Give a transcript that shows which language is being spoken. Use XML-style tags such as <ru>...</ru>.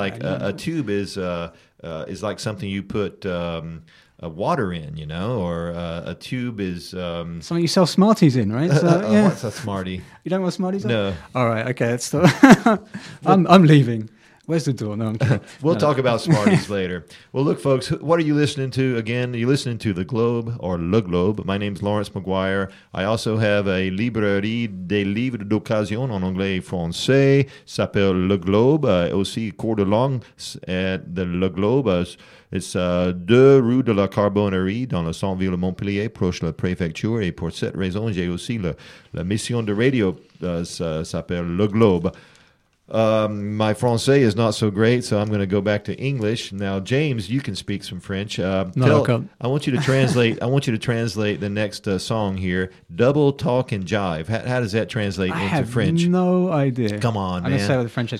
<en>like a tube is like something you put water in, you know, or a tube is... something you sell Smarties in, right? So, yeah. What's a Smartie? You don't want Smarties? No. All right, okay, that's the... I'm leaving. Where's the door? No, I'm kidding. We'll talk about Smarties later. Well, look, folks, what are you listening to again? Are you listening to The Globe or Le Globe? My name's Lawrence McGuire. I also have a</en> <fr>librairie de livres d'occasion en anglais et français. S'appelle Le Globe. Aussi, cours de langue</fr> <en>at the</en> <fr>Le Globe. It's 2 rue de la Carbonnerie dans le centre-ville de Montpellier, proche de la préfecture. Et pour cette raison, j'ai aussi la mission de radio s'appelle Le Globe.</fr> <en>My Francais is not so great, so I'm going to go back to English. Now, James, you can speak some French. I want you to translate. I want you to translate the next song here. Double talk and jive. How does that translate into French? I have no idea. Come on, I'm going to say what the French is.</en>